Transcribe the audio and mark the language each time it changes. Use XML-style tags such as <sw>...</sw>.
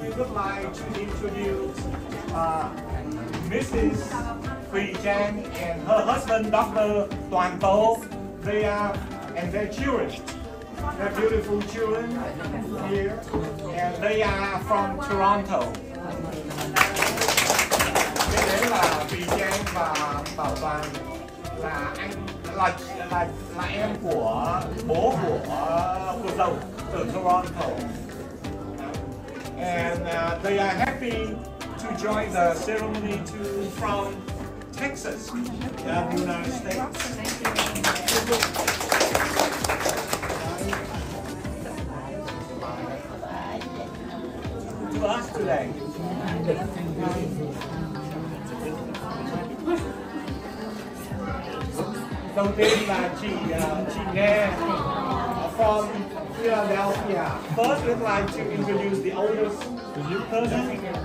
<en>We would like to introduce Mrs. Huy Trang and her husband, Dr. Toan To. They are, and their children. They're beautiful children here, and they are from Toronto.</en> <vi>Cái đấy là Huy Trang và Bảo Toàn là anh là em của bố của dâu từ Toronto.</vi> <en>And they are happy to join the ceremony from Texas, the United States.</en> <vi>Đầu tiên là chị nghe</vi> <en>from Philadelphia. First, we'd like to introduce the oldest person.</en>